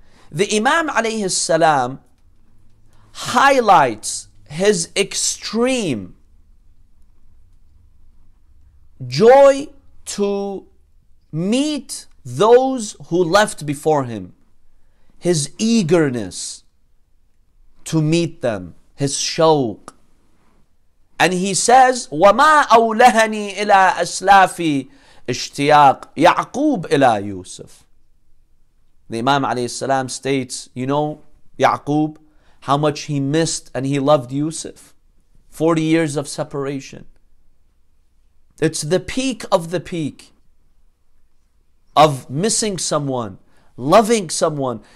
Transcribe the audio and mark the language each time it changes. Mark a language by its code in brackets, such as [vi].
[en] The Imam alayhi salam highlights his extreme joy to meet those who left before him, his eagerness to meet them, his shawq. And he says, [ar] وَمَا أَوْلَهَنِي إِلَىٰ أَسْلَافِي اشتياق يعقوب إلى يوسف. [en] The Imam [ar] عليه السلام [en] states, you know, يعقوب, how much he missed and he loved Yusuf. 40 years of separation. It's the peak of the peak of missing someone, loving someone.